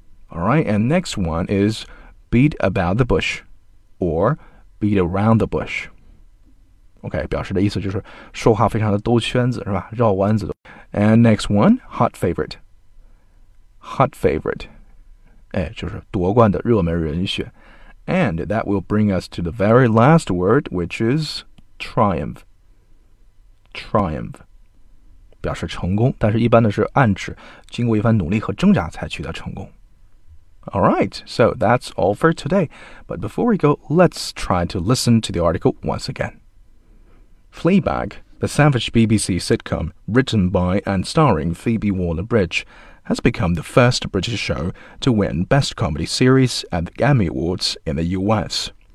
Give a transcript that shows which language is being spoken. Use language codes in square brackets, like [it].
[en] All right, and next one is beat about the bush or beat around the bush. [zh] OK, 表示的意思就是说话非常的兜圈子，是吧？绕弯子。 [en] And next one, hot favorite. Hot favorite. [zh] 哎，就是夺冠的热门人选。 [en] And that will bring us to the very last word, which is triumph. Triumph. [zh] 表示成功，但是一般的是暗指经过一番努力和挣扎才取得成功。 [en] All right, so that's all for today. But before we go, let's try to listen to the article once again. Fleabag The savage BBC sitcom, written by and starring Phoebe Waller-Bridge, has become the first British show to win Best Comedy Series at the Emmy Awards in the US.